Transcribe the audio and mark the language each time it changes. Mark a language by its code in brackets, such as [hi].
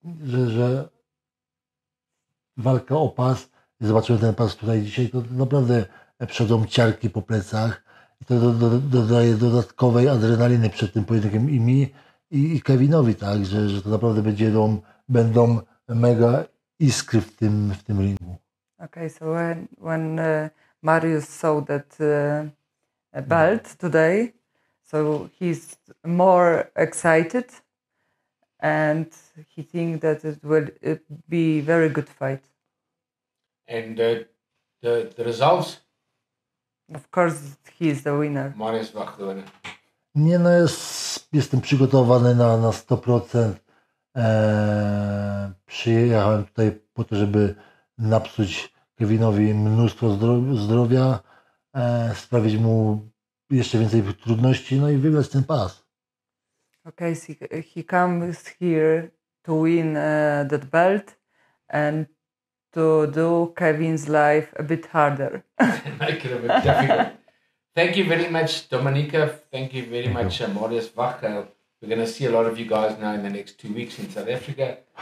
[pl] Że walka o pas, zobaczyłem ten pas tutaj dzisiaj, to naprawdę przychodzą ciarki po plecach. I to dodaje dodatkowej adrenaliny przed tym pojedynkiem i mi, i Kevinowi, tak? Że to naprawdę będą mega iskry w tym ringu. [en] Okay, so when Mariusz saw that belt today, so he's more excited and he think that it will be very good fight. And the results? Of course, he is the winner. Mariusz Wach, the winner. [pl] Nie, no jestem przygotowany na 100%. Przyjechałem tutaj po to, żeby napsuć Kevinowi mnóstwo zdrowia, sprawić mu jeszcze więcej trudności, no i wygrać ten pas. [en] Okay, so he comes here to win that belt and to do Kevin's life a bit harder. Make it a bit difficult. Thank you very much, Dominika. Thank you very much, Mariusz Wach. We're going to see a lot of you guys now in the next 2 weeks in South Africa.